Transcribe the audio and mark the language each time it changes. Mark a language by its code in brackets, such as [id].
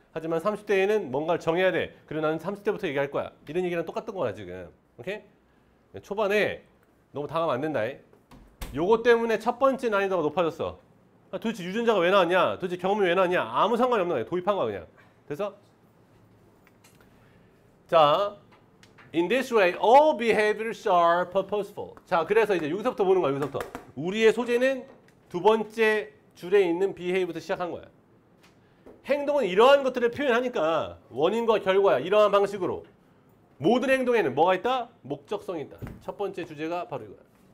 [ko] 하지만 30대에는 뭔가를 정해야 돼. 그리고 나는 30대부터 얘기할 거야. 이런 얘기랑 똑같은 거야, 지금. 오케이? 초반에 너무 다가가면 안 된다. 요거 때문에 첫 번째 난이도가 높아졌어. 도대체 유전자가 왜 나왔냐? 도대체 경험이 왜 나왔냐? 아무 상관이 없는 거야. 도입한 거야, 그냥. 됐어? 자, [en] in this way, all behaviors are purposeful. [ko] 자, 그래서 이제 여기서부터 보는 거야, 여기서부터. 우리의 소재는 두 번째 줄에 있는 behavior부터 시작한 거야. 행동은 이러한 것들을 표현하니까 원인과 결과야, 이러한 방식으로. 모든 행동에는 뭐가 있다? 목적성이 있다. 첫 번째 주제가 바로 이거야.